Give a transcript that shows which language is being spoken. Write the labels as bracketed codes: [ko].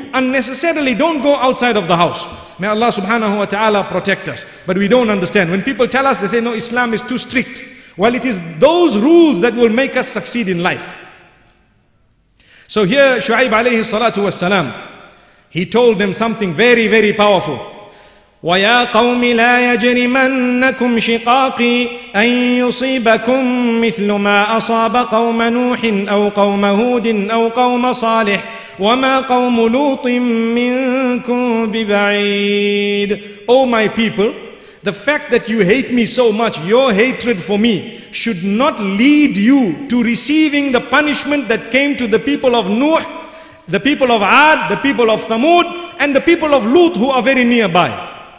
[en] Unnecessarily, don't go outside of the house. May Allah subhanahu wa ta'ala protect us. But we don't understand. When people tell us, they say, no, Islam is too strict. Well, it is those rules that will make us succeed in life. So here Shu'aib alayhi salatu wasalam, he told them something very, very powerful. [ar] ويا قوم لا يجرمنكم شقاقي أن يصيبكم مثل ما أصاب قوم نوح أو قوم هود أو قوم صالح وما قوم لوط منكم ببعيد. [en] Oh my people, the fact that you hate me so much, your hatred for me should not lead you to receiving the punishment that came to the people of Nuh, the people of Ad, the people of Thamud, and the people of Lut who are very nearby.